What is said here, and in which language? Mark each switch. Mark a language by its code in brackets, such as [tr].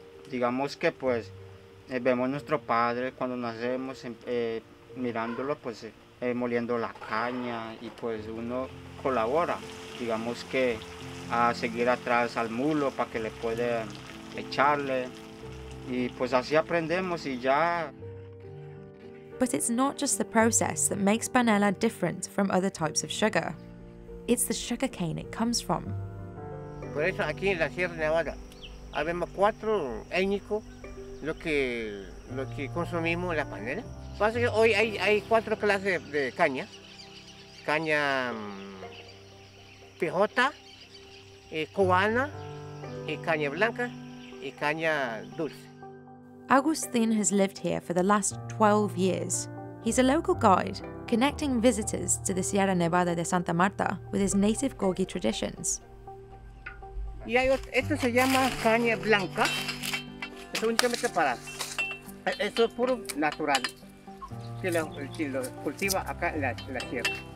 [es] Digamos que pues vemos nuestro padre cuando nacemos mirándolo pues moliendo la caña y pues uno colabora, digamos que a seguir atrás al mulo para que le pueda echarle y pues así aprendemos y ya. [en] But it's not just the process that makes panela different from other types of sugar. It's the sugar cane it comes from. [es] Por eso aquí en la Sierra Nevada habemos 4 étnicos lo que consumimos la panela. Pasa que hoy hay 4 clases de caña. Caña pijota, cubana, caña blanca y caña dulce. [en] Agustin has lived here for the last 12 years. He's a local guide, connecting visitors to the Sierra Nevada de Santa Marta with his native Gorgi traditions. [es] Y hay otro, esto se llama caña blanca. Es únicamente para... Esto es puro natural. Que lo cultiva acá en la sierra.